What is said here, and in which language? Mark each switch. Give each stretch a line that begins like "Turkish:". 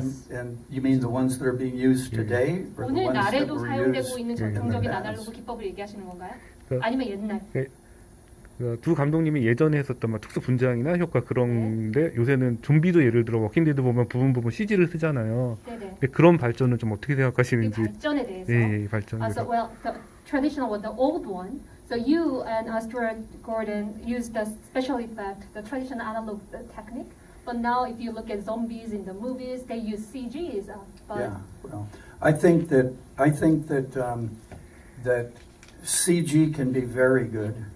English: And you mean the ones that are being used today?
Korean: 예. 오늘날에도 사용되고 있는 전통적인 아날로그 기법을 얘기하시는 건가요? 아니면 옛날? 예. 두 감독님이 예전에 했었던 막 특수 분장이나 효과 그런데 예. 요새는 좀비도 예를 들어 워킹데드 보면 부분 CG를 쓰잖아요. 네네. 그런 발전은 좀 어떻게 생각하시는지? 발전에 대해서. 예, 발전.
English: So, well, the traditional one, the old one. So you and Astrid Gordon used the special effect, the traditional analog technique. But now if you look at zombies in the movies, they use CGs. Yeah, well, I think that CG can be very good.